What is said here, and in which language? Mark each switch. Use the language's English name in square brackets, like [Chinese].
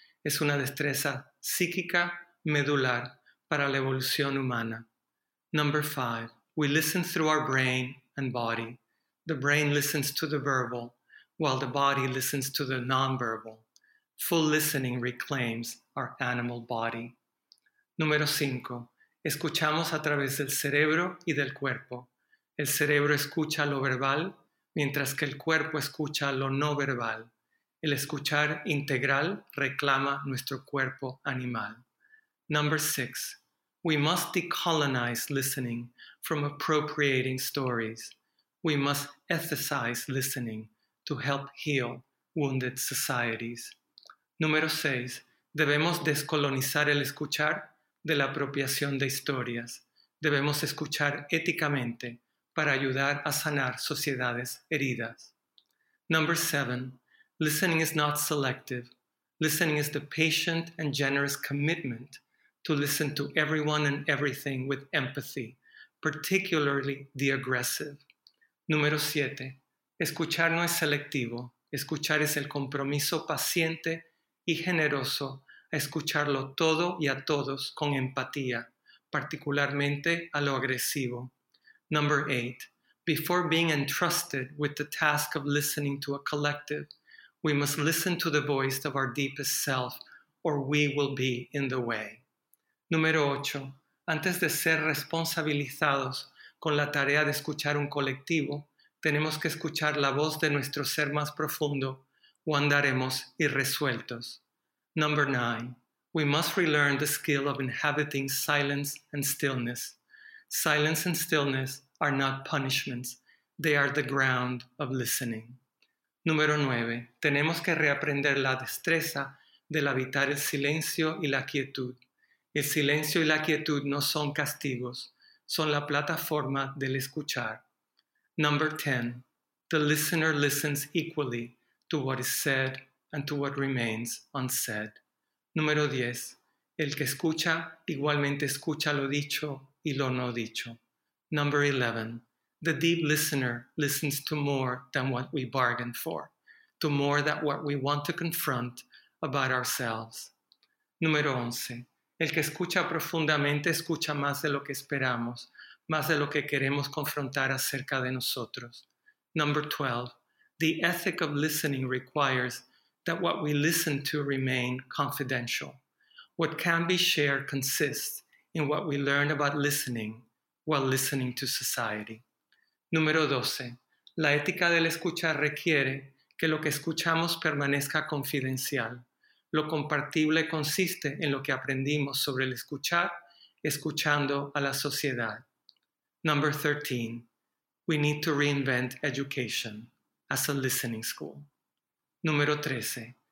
[Spanish] Es una destreza psíquica medular para la evolución humana. [English] Number five, we listen through our brain and body. The brain listens to the verbal, while the body listens to the nonverbal. Full listening reclaims our animal body. [Spanish] Número cinco, escuchamos a través del cerebro y del cuerpo. El cerebro escucha lo verbal, mientras que el cuerpo escucha lo no verbal. El escuchar integral reclama nuestro cuerpo animal. [English] Number six, we must decolonize listening from appropriating stories. We must ethicize listening to help heal wounded societies. [Spanish] Número seis, debemos descolonizar el escuchar de la apropiación de historias. Debemos escuchar éticamente para ayudar a sanar sociedades heridas. [English] Number seven, listening is not selective. Listening is the patient and generous commitment to listen to everyone and everything with empathy, particularly the aggressive. [Spanish] Número siete. Escuchar no es selectivo. Escuchar es el compromiso paciente y generoso a escucharlo todo y a todos con empatía, particularmente a lo agresivo. [English] Number eight. Before being entrusted with the task of listening to a collective, we must listen to the voice of our deepest self, or we will be in the way. [Spanish] Número ocho, antes de ser responsabilizados con la tarea de escuchar un colectivo, tenemos que escuchar la voz de nuestro ser más profundo o andaremos irresueltos. [English] Number nine, we must relearn the skill of inhabiting silence and stillness. Silence and stillness are not punishments, they are the ground of listening. [Spanish] Número nueve, tenemos que reaprender la destreza del habitar el silencio y la quietud. El silencio y la quietud no son castigos, son la plataforma del escuchar. [English] Number 10. The listener listens equally to what is said and to what remains unsaid. [Spanish] Número 10. El que escucha igualmente escucha lo dicho y lo no dicho. [English] Number 11. The deep listener listens to more than what we bargain for, to more than what we want to confront about ourselves. [Spanish] Número 11. El que escucha profundamente escucha más de lo que esperamos, más de lo que queremos confrontar acerca de nosotros. [English] Number 12. The ethic of listening requires that what we listen to remain confidential. What can be shared consists in what we learn about listening while listening to society. [Spanish] Número 12. La ética del escuchar requiere que lo que escuchamos permanezca confidencial. Lo compartible consiste en lo que aprendimos sobre el escuchar, escuchando a la sociedad. [English] Number 13. We need to reinvent education as a listening school. [Spanish] Número 13.